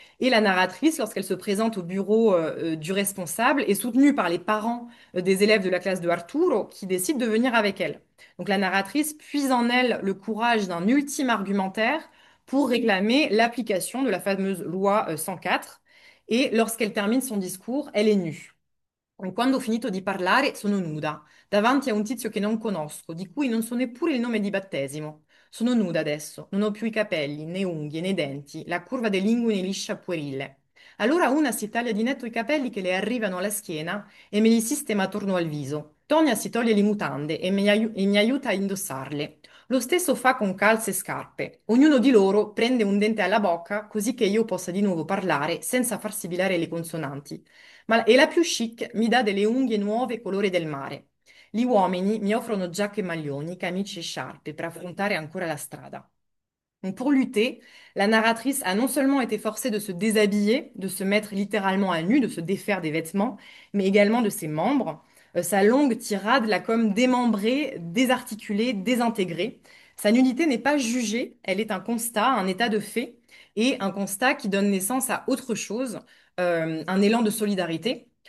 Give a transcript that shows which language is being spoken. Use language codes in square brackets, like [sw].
[fr] Et la narratrice, lorsqu'elle se présente au bureau du responsable, est soutenue par les parents des élèves de la classe de Arturo, qui décident de venir avec elle. Donc la narratrice puise en elle le courage d'un ultime argumentaire pour réclamer l'application de la fameuse loi 104. Et lorsqu'elle termine son discours, elle est nue. [it] Quando ho finito di parlare, sono nuda, davanti a un tizio che non conosco, di cui non so neppure il nome di battesimo. Sono nuda adesso, non ho più i capelli, né unghie, né denti, la curva dell'inguine liscia puerile. Allora una si taglia di netto i capelli che le arrivano alla schiena e me li sistema attorno al viso. Tonia si toglie le mutande e mi aiuta a indossarle. Lo stesso fa con calze e scarpe. Ognuno di loro prende un dente alla bocca così che io possa di nuovo parlare senza far sibilare le consonanti. E la più chic mi dà delle unghie nuove colore del mare. Gli uomini mi offrono giacche e maglioni, camici e sciarpe per affrontare ancora la strada. [fr] Pour lutter, la narratrice a non seulement été forcée de se déshabiller, de se mettre littéralement à nu, de se défaire des vêtements, mais également de ses membres. Sa longue tirade l'a comme démembrée, désarticulée, désintégrée. Sa nudité n'est pas jugée, elle est un constat, un état de fait, et un constat qui donne naissance à autre chose, un élan de solidarité.